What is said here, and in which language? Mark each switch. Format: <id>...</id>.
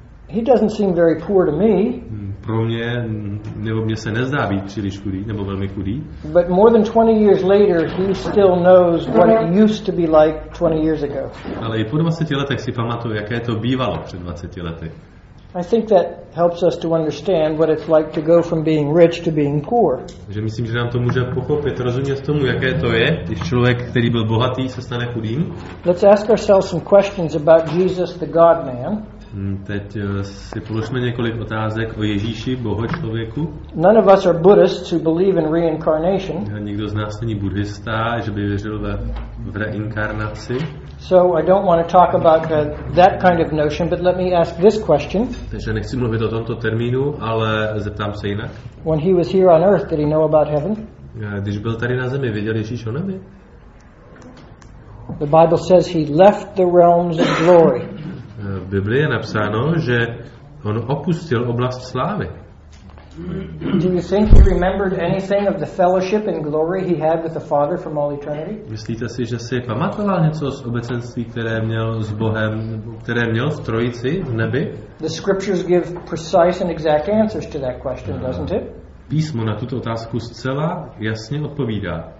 <en>He doesn't seem very poor to me.</en> <cs>Pro mě, nebo mě se nezdá být příliš chudý, nebo velmi chudý.</cs> <en>But more than 20 years later, he still knows what it used to be like 20 years ago.</en> <cs>Ale i po 20 letech si pamatuju, jaké to bývalo před 20 lety.</cs> <en>I think that helps us to understand what it's like to go from being rich to being poor.</en> <cs>Že myslím, že nám to může pochopit, rozumět tomu, jaké to je, když člověk, který byl bohatý, se stane chudým.</cs> <en>Let's ask ourselves some questions about Jesus the God-man.</en> <cs>Teď si položme několik otázek o Ježíši, bohočlověku.</cs> <en>None of us are Buddhists who believe in reincarnation.</en> <cs>Nikdo z nás není buddhista, že by věřil ve v reinkarnaci.</cs> <en>So I don't want to talk about that kind of notion, but let me ask this question.</en> <cs>Takže nechci mluvit o tomto termínu, ale zeptám se jinak.</cs> <en>When he was here on earth, did he know about heaven?</en> <cs>Když byl tady na zemi, viděl Ježíš o nebi?</cs> <en>The Bible says he left the realms of glory.</en> <cs>V Biblii je napsáno, že on opustil oblast slávy.</cs> <en>Do you think he remembered anything of the fellowship and glory he had with the Father from all eternity?</en> <cs>Myslíte si, že si pamatoval něco z obecenství, které měl s Bohem, které měl v Trojici v nebi?</cs> <en>The scriptures give precise and exact answers to that question, doesn't it?</en> <cs>Písmo na tuto otázku zcela jasně odpovídá.</cs>